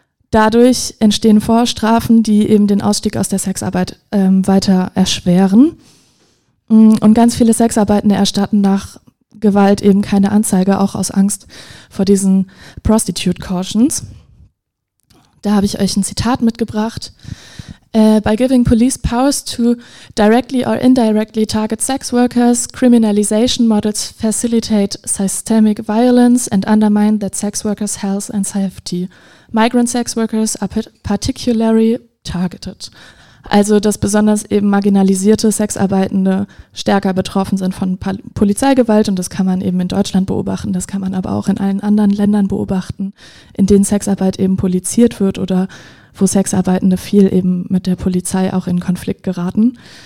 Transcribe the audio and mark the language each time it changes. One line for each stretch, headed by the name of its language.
German: Dadurch entstehen Vorstrafen, die eben den Ausstieg aus der Sexarbeit weiter erschweren. Und ganz viele Sexarbeitende erstatten nach Gewalt eben keine Anzeige, auch aus Angst vor diesen Prostitute Cautions. Da habe ich euch ein Zitat mitgebracht.
English: By giving police powers to directly or indirectly target sex workers, criminalization models facilitate systemic violence and undermine that sex workers' health and safety. Migrant sex workers are particularly targeted.
German: Also, dass besonders eben marginalisierte Sexarbeitende stärker betroffen sind von Polizeigewalt, und das kann man eben in Deutschland beobachten, das kann man aber auch in allen anderen Ländern beobachten, in denen Sexarbeit eben poliziert wird oder wo Sexarbeitende viel eben mit der Polizei auch in Konflikt geraten.